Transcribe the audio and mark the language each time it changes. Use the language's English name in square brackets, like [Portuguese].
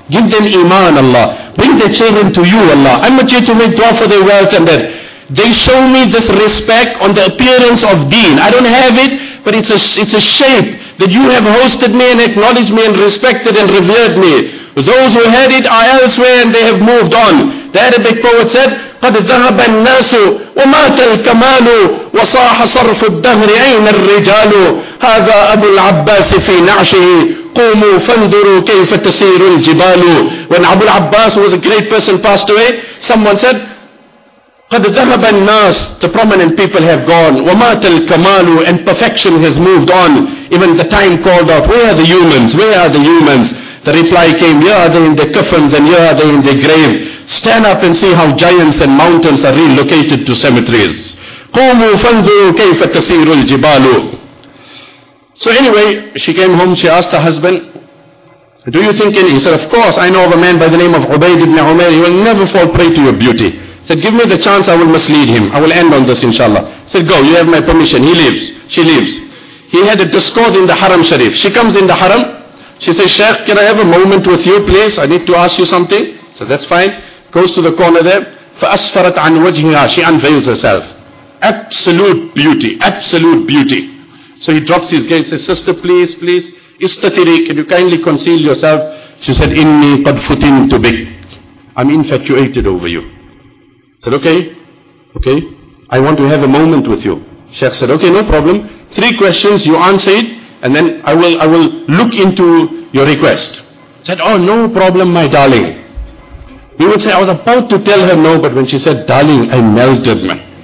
[English] Give them iman, Allah. Bring their children to you, Allah. I'm not here to make dua for their wealth and that. They show me this respect on the appearance of deen. I don't have it, but it's a shape that you have hosted me and acknowledged me and respected and revered me. Those who had it are elsewhere and they have moved on. The Arabic poet said, [Arabic] قَدْ ذَهَبَ النَّاسُ وَمَاتَ الْكَمَالُ وَصَاحَ صَرْفُ الدَّهْرِ عَيْنَ الرِّجَالُ هَذَا أَبُو الْعَبَّاسِ فِي نَعْشِهِ قُومُوا فَانْظُرُوا كَيْفَ تَسِيرُ الْجِبَالُ. [English] When Abu al-Abbas, who was a great person, passed away, someone said, [Arabic] قَدْ ذَهَبَ النَّاسُ, [English] the prominent people have gone, [Arabic] وَمَاتَ الْكَمَالُ, [English] and perfection has moved on. Even the time called out, where are the humans? Where are the humans? The reply came, here are they in their coffins and here are they in their graves. Stand up and see how giants and mountains are relocated to cemeteries. [Arabic] قُومُوا فَانْظُرُوا كَيْفَ تَسِيرُ الْجِبَالُ. [English] So anyway, she came home, she asked her husband, do you think any? He said, of course, I know of a man by the name of Ubayd ibn Umair, he will never fall prey to your beauty. He said, give me the chance, I will mislead him. I will end on this, inshallah. He said, go, you have my permission. He leaves, she leaves. He had a discourse in the Haram Sharif. She comes in the Haram, she says, Sheikh, can I have a moment with you, please? I need to ask you something. So that's fine. Goes to the corner there. [Arabic] فَأَسْفَرَتْ عَنْ وَجْهِهَا. [English] She unveils herself. Absolute beauty. Absolute beauty. So he drops his gaze. Says, sister, please, please. [Arabic] إِسْتَتِرِي. [English] Can you kindly conceal yourself? She said, [Arabic] إِنِّي قَدْ فُتِنْتُ بِكْ. [English] I'm infatuated over you. Said, okay. Okay. I want to have a moment with you. Sheikh said, okay, no problem. Three questions, you answer it. And then I will look into your request. Said, oh, no problem, my darling. He would say, I was about to tell her no, but when she said, darling, I melted, man.